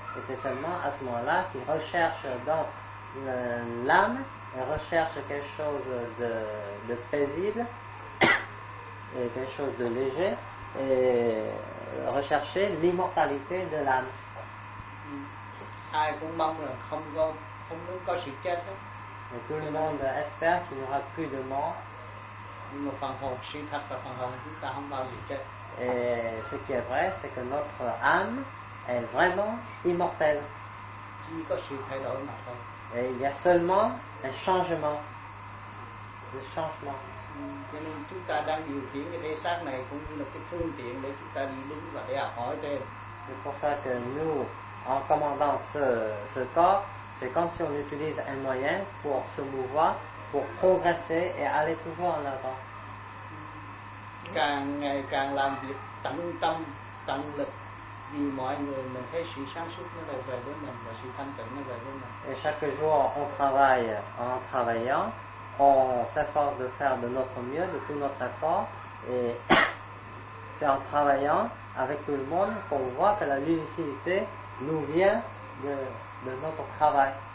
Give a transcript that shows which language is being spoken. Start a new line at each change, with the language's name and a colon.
French: Et c'est seulement à ce moment-là qu'ils recherchent dans l'âme, ils recherchent quelque chose de paisible et quelque chose de léger. Et rechercher l'immortalité de l'âme.
Vietnamese: Ai cũng mong là không có sự chết hết.
French: Mais tout le monde espère qu'il n'y aura plus de mort.
Vietnamese: Nhưng mà phần hồn sinh thật là phần hồn chúng ta không bao giờ chết.
French: Et ce qui est vrai, c'est que notre âme est vraiment immortelle.
Vietnamese: Chỉ có sự thay đổi mà thôi.
French: Et il y a seulement un changement. Le changement.
Vietnamese: Cho nên chúng ta đang điều khiển cái thể xác này cũng như là cái phương tiện để chúng ta đi đứng và để học hỏi thêm.
French: C'est pour ça que nous, en commandant ce corps, c'est comme si on utilise un moyen pour se mouvoir, pour progresser et aller toujours en avant.
Vietnamese: Càng ngày càng làm việc tận tâm, tận lực vì mọi người, mình thấy sự sáng suốt nó về với mình và sự thanh tịnh nó về với mình.
French: Et chaque jour, on travaille en travaillant. On s'efforce de faire de notre mieux, de tout notre effort, et c'est en travaillant avec tout le monde qu'on voit que la lucidité nous vient de notre travail.